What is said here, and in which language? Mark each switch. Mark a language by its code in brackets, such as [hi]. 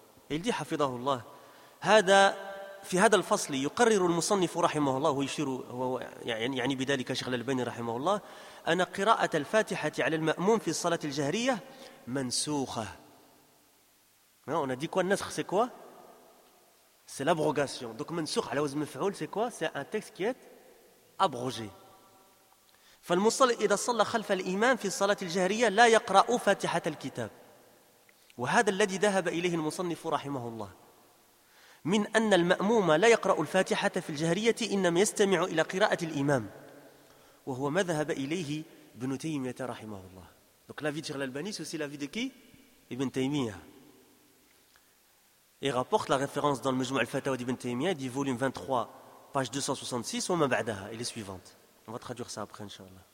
[fr] Et il dit, [ar] hafidahullah, هذا في هذا الفصل يقرر المصنف رحمه الله ويشير يعني بذلك شيخ الألباني رحمه الله أن قراءة الفاتحة على المأموم في الصلاة الجهرية منسوخة. [fr] On a dit quoi? Nasr, c'est quoi? C'est l'abrogation. Donc [ar] منسوخ على وزن مفعول, [fr] c'est quoi? C'est un texte qui est abrogé. [ar] فالمصلي إذا صلى خلف الإمام في الصلاة الجهرية لا يقرأ فاتحة الكتاب وهذا الذي ذهب إليه المصنف رحمه الله من أن المأموم لا يقرأ الفاتحة في الجهرية إنما يستمع إلى قراءة الإمام وهو ما ذهب إليه ابن تيمية رحمه الله. [fr] Donc l'avis de Cheikh Al-Albani, c'est aussi l'avis de qui? Ibn Taymiyyah. Il rapporte la référence dans le Majmou' al-Fatawa d'Ibn Taymiyyah, dit volume 23, page 266, wa ma ba'daha, et les suivantes. On va traduire ça après, inshallah.